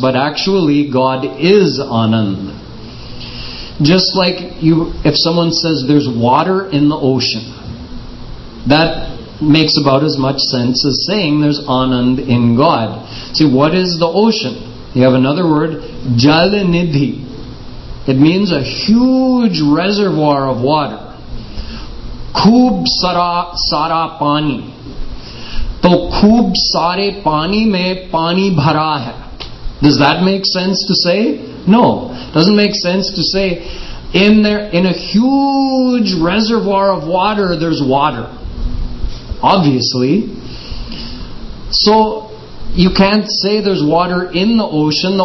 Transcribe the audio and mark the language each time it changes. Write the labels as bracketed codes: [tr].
[en] But actually, God is Anand. Just like you, if someone says there's water in the ocean, that makes about as much sense as saying there's Anand in God. See, what is the ocean? You have another word, Jalanidhi. It means a huge reservoir of water. [hi] खूब सारा पानी। तो खूब सारे पानी में पानी भरा है। [en] Does that make sense to say? No. Doesn't make sense to say in a huge reservoir of water there's water. Obviously. So you can't say there's water in the ocean.